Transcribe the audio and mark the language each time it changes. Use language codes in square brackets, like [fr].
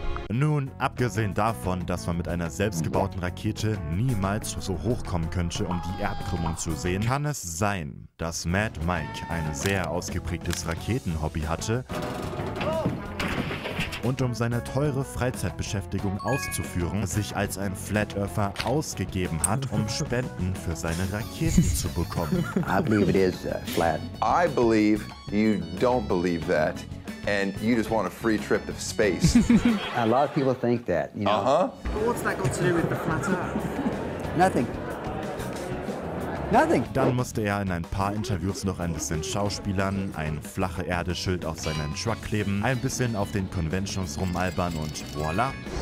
[de] Nun, abgesehen davon, dass man mit einer selbstgebauten Rakete niemals so hoch kommen könnte, um die Erdkrümmung zu sehen, kann es sein, dass Mad Mike ein sehr ausgeprägtes Raketenhobby hatte. Und um seine teure Freizeitbeschäftigung auszuführen, sich als ein Flat Earther ausgegeben hat, um Spenden für seine Raketen zu bekommen. [en] I believe it is flat. I believe you don't believe that. And you just want a free trip to space. A lot of people think that, you know. Uh-huh. But what's that got to do with the flat Earth? Nothing. Nothing. [de] Dann musste er in ein paar Interviews noch ein bisschen schauspielern, ein flache Erde-Schild auf seinen Truck kleben, ein bisschen auf den Conventions rumalbern und voila.